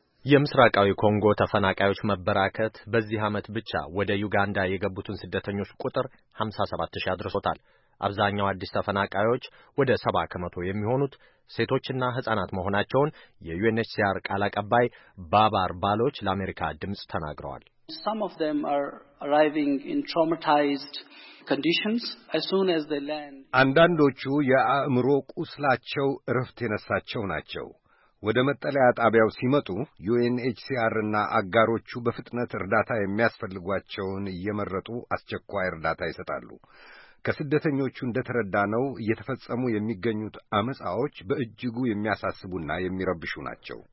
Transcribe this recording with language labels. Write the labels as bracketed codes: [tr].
[am] የምስራቃዊ ኮንጎ ተፈናቃዮች መበራከት በዚህ ዓመት ብቻ ወደ ዩጋንዳ የገቡትን ስደተኞች ቁጥር 57000 አድርሶታል። አብዛኛው አዲስ ተፈናቃዮች ወደ 70% የሚሆኑት ሴቶችና ህጻናት መሆናቸውን የዩኤንኤችሲአር ቃል አቀባይ ባባር ባሎች ለአሜሪካ ድምጽ ተናግረዋል። [en] Some of them are arriving in traumatized conditions as soon as they land. [am] አንዳንዶቹ የአእምሮ ቁስላቸው ረፍት የነሳቸው ናቸው። ወደ መጠለያ ጣቢያው ሲመጡ UNHCR እና አጋሮቹ በፍጥነት እርዳታ የሚያስፈልጓቸውን እየመረጡ አስቸኳይ እርዳታ ይሰጣሉ። ከስደተኞቹ እንደተረዳነው እየተፈጸሙ የሚገኙት አመጻዎች በእጅጉ የሚያሳስቡና የሚረብሹ ናቸው።